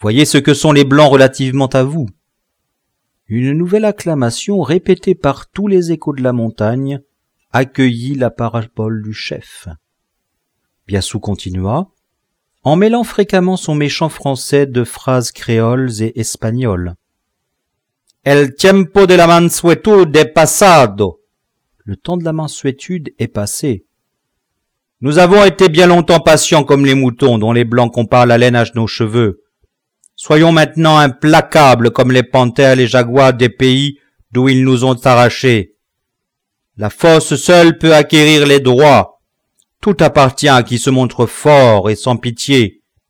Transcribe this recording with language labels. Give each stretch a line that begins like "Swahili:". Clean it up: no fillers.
French: Voyez ce que sont les blancs relativement à vous !» Une nouvelle acclamation répétée par tous les échos de la montagne accueillit la parabole du chef. Biassou continua, en mêlant fréquemment son méchant français de phrases créoles et espagnoles.
Spanish: El tiempo de la mansuetud es pasado.
French: Le temps de la mansuétude est passé. Nous avons été bien longtemps patients comme les moutons dont les blancs comparent la laine à nos cheveux. Soyons maintenant implacables comme les panthères et les jaguars des pays d'où ils nous ont arrachés. La force seule peut acquérir les droits. Tout appartient à qui se montre fort et sans pitié.